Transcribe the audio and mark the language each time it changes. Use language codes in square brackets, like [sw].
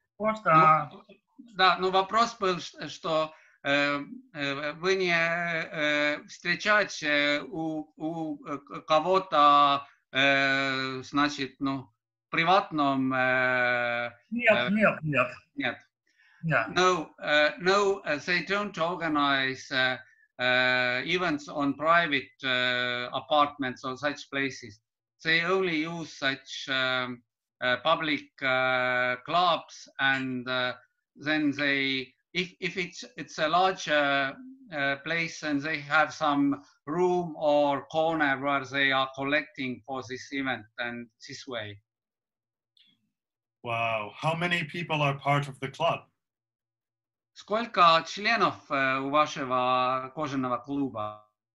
[ru] Просто... Вопрос был, что вы не встречаете у кого-то, значит, ну, приватном... Нет. [en] Yeah. No, they don't organize events on private apartments or such places. They only use such public clubs, and then they, if it's a larger place and they have some room or corner where they are collecting for this event, and this way. Wow, how many people are part of the club? [ru] Сколько членов у вашего кожаного клуба?